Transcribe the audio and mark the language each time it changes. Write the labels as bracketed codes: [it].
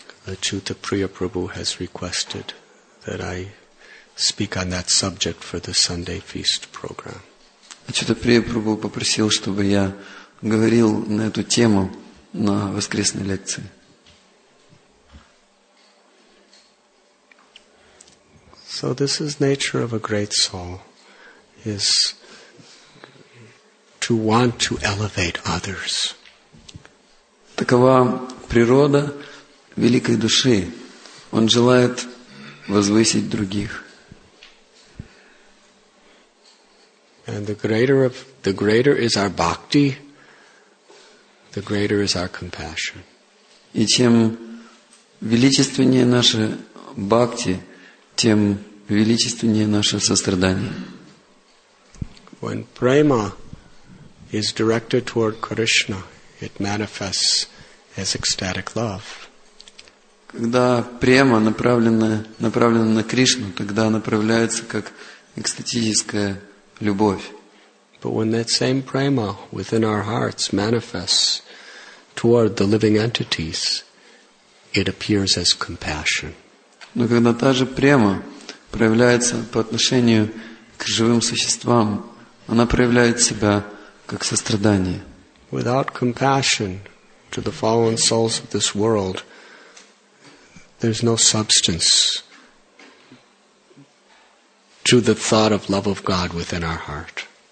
[en] Achyuta Priya Prabhu has requested that I speak on that subject for the Sunday feast program. [ru] Achyuta Priya Prabhu попросил, чтобы я говорил на эту тему на воскресной лекции. [en] So this is nature of a great soul, is to want to elevate others. [ru] Такова природа великой души. Он желает возвысить других. [en] And the greater is our bhakti, the greater is our compassion. [ru] И чем величественнее наша бхакти, тем величественнее наше сострадание. [en] When prema is directed toward Krishna, it manifests as ecstatic love. [ru] Когда према направлена на Кришну, тогда направляется как экстатическая любовь. [en] But when that same prema within our hearts manifests toward the living entities, it appears as compassion. [ru] Но когда та же према проявляется по отношению к живым существам, она проявляет себя как сострадание. [en] Without compassion to the fallen souls of this world, there's no substance to the thought of love of God within our heart.